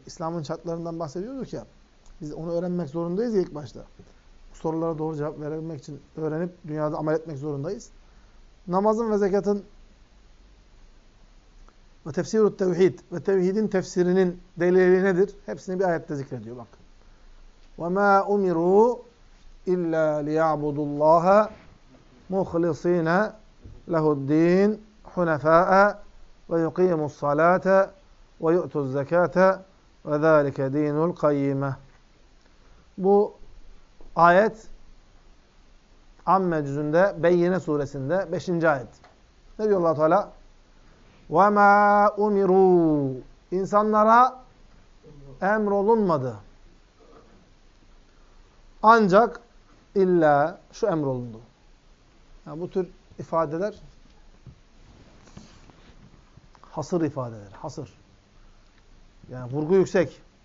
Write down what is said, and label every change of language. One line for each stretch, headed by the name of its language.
Turkish: İslam'ın şartlarından bahsediyorduk ya. Biz onu öğrenmek zorundayız ilk başta. Bu sorulara doğru cevap verebilmek için öğrenip dünyada amel etmek zorundayız. Namazın ve zekatın ve tefsirü tevhid ve tevhidin tefsirinin delili nedir? Hepsini bir ayette zikrediyor bak.
Arabic: وَمَا أُمِرُوا اِلَّا لِيَعْبُدُ اللّٰهَ مُخْلِص۪ينَ لَهُ الد۪ينَ حُنَفَاءَ وَيُقِيمُ الصَّلَاةَ وَيُؤْتُ الزَّكَاةَ وَذَٰلِكَ د۪ينُ الْقَيِّمَةِ
Turkish: Bu ayet Amme cüzünde Beyyine suresinde 5. ayet. Ne diyor Allah-u Teala?
Arabic: وَمَا أُمِرُوا
Turkish: İnsanlara emrolunmadı. Ancak illa şu emrolundu. Yani bu tür ifadeler hasır ifadeler. Hasır. Yani vurgu yüksek.